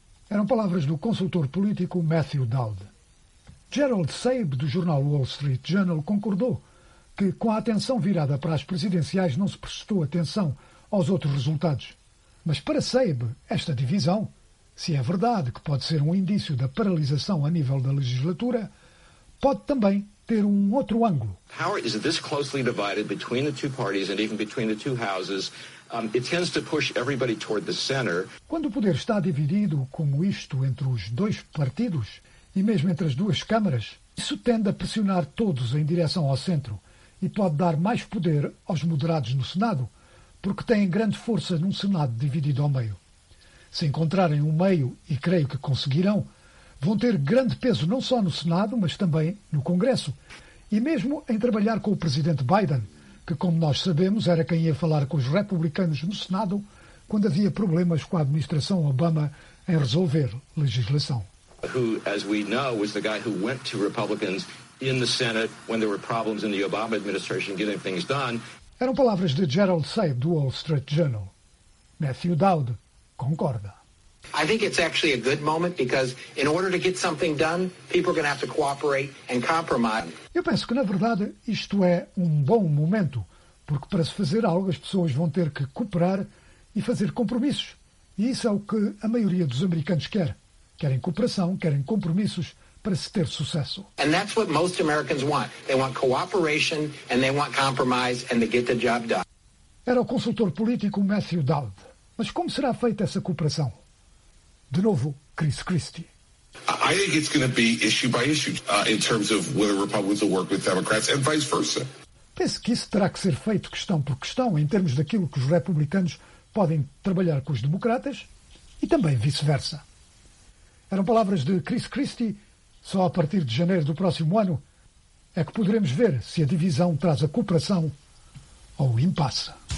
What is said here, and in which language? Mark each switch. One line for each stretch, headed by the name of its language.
Portuguese: Eram palavras do consultor político Matthew Dowd. Gerald Sabe, do jornal Wall Street Journal, concordou que, com a atenção virada para as presidenciais, não se prestou atenção aos outros resultados. Mas para Sabe, esta divisão, se é verdade que pode ser um indício da paralisação a nível da legislatura, pode também ter um outro ângulo.
English: Power is this closely divided between the two parties and even between the two houses. It tends to push everybody toward the center.
Portuguese: Quando o poder está dividido, como isto, entre os dois partidos e mesmo entre as duas câmaras, isso tende a pressionar todos em direção ao centro e pode dar mais poder aos moderados no Senado, porque têm grande força num Senado dividido ao meio. Se encontrarem um meio, e creio que conseguirão, vão ter grande peso não só no Senado, mas também no Congresso. E mesmo em trabalhar com o presidente Biden, que, como nós sabemos, era quem ia falar com os republicanos no Senado quando havia problemas com a administração Obama em resolver legislação.
English: Who, as we know, was the guy who went to Republicans in the Senate when there were problems in the Obama administration getting things done.
Portuguese: Eram palavras de Gerald Sabe, do Wall Street Journal. Matthew Dowd concorda.
English: I think it's actually a good moment because in order to get something done, people are going to have to cooperate and compromise.
Portuguese: Eu penso que, na verdade, isto é um bom momento, porque para se fazer algo as pessoas vão ter que cooperar e fazer compromissos. E isso é o que a maioria dos americanos quer. Querem cooperação, querem compromissos para se ter sucesso.
English: And that's what most Americans want. They want cooperation and they want compromise and to get the job done.
Portuguese: Era o consultor político Matthew Dowd. Mas como será feita essa cooperação? De novo, Chris Christie.
English: I think it's going to be issue by issue in terms of whether Republicans will work with Democrats and vice versa.
Portuguese: Penso que isso terá que ser feito questão por questão em termos daquilo que os republicanos podem trabalhar com os democratas e também vice-versa. Eram palavras de Chris Christie. Só a partir de janeiro do próximo ano é que poderemos ver se a divisão traz a cooperação ou o impasse.